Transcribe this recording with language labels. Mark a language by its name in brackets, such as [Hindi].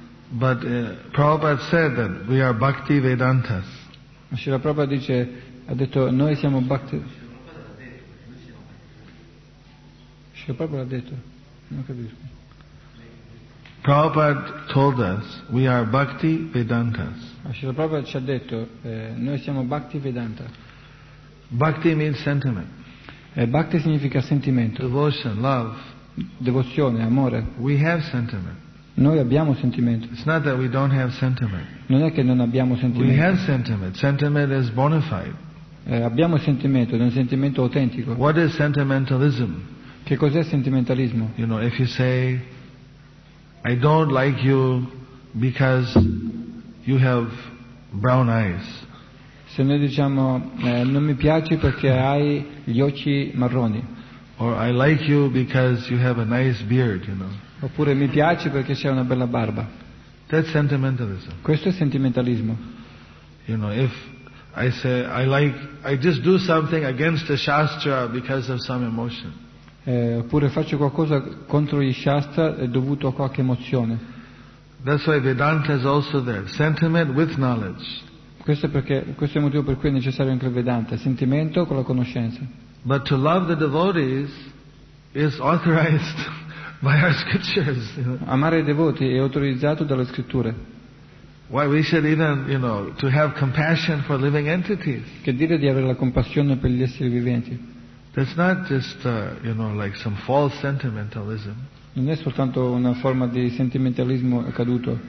[English] But Prabhupada said that we are Bhakti Vedantas. [Italian] Srila Prabhupada dice, ha detto, noi siamo Bhakti. Srila Prabhupada ha detto, non capisco. [English] Prabhupada told us, we are Bhakti Vedantas. [Italian] Srila Prabhupada ci ha detto, noi siamo Bhakti Vedanta. [English] Bhakti means sentiment. [Italian] Bhakti significa sentimento. [English] Devotion, love. [Italian] Devozione, amore. [English] We have sentiment. [Italian] Noi abbiamo sentimento. [English] It's not that we don't have sentiment. [Italian] Non è che non abbiamo sentimento. [English] We have sentiment. Sentiment is bona fide. [Italian] Abbiamo sentimento, è un sentimento autentico. [English] What is sentimentalism? [Italian] Che cos'è sentimentalismo? [English] You know, if you say, I don't like you because you have brown eyes. [Italian] Se noi diciamo non mi piaci perché hai gli occhi marroni. [English] Or I like you because you have a nice beard, you know. [Italian] Oppure mi piaci perché c'è una bella barba. [English] That's sentimentalism. [Italian] Questo è sentimentalismo. [English] You know, if I say I just do something against the shastra because of some emotion. [Italian] Oppure faccio qualcosa contro gli shastra dovuto a qualche emozione. [English] That's why Vedanta is also there. Sentiment with knowledge. [Italian] Questo è il motivo per cui è necessario anche il Vedanta, sentimento con la conoscenza. [English] But to love the devotees is authorized by our scriptures. [Italian] Amare i devoti è autorizzato dalle scritture. [English] Why we should even, you know, to have compassion for living entities. [Italian] Che dire di avere la compassione per gli esseri viventi? [English] That's not just, you know, like some false sentimentalism. [Italian] Non è soltanto una forma di sentimentalismo caduto.